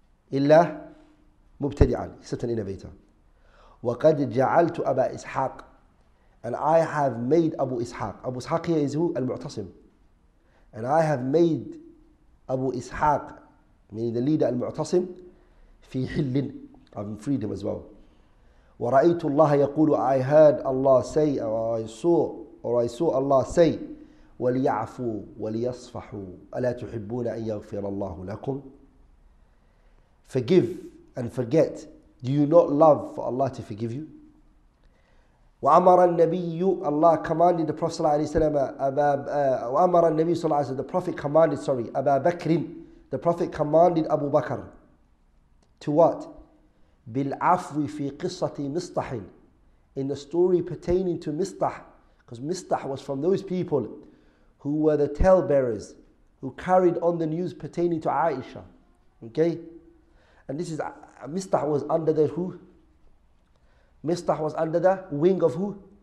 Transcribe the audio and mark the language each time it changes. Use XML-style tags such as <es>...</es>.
<en>Illa mubtadi'an, except an innovator.</en> <ar>وَقَدْ جَعَلْتُ أَبَا إِسْحَاقٍ</ar> <en>And I have made Abu Ishaq. Abu Ishaq here is who? Al-Mu'tasim. And I have made Abu Ishaq, meaning the leader Al-Mu'tasim,</en> <ar>فِي حِلٍ</ar> <en>I've freed him as well.</en> <ar>ورأيت الله يقول</ar> <en>I heard Allah say or I saw Allah say</en> <ar>وليعفو وليصفحوا ألا تحبون أن يغفر الله لكم</ar> <en>Forgive and forget. Do you not love for Allah to forgive you?</en> <ar>وأمر النبي</ar> <en>Allah commanded the Prophet</en> <ar>صلى الله عليه وسلم وأمر النبي صلى الله عليه وسلم</ar> <en>the Prophet commanded</en> <ar>أبا بكر</ar> <en>the Prophet commanded</en> <ar>أبو بكر</ar> <en>to what?</en> <ar>بالعفو في قصة</ar> <en>مصطح in the story pertaining to مصطح because مصطح was from those people who were the tale bearers who carried on the news pertaining to Aisha okay and this is مصطح was under the who مصطح was under the wing of who</en>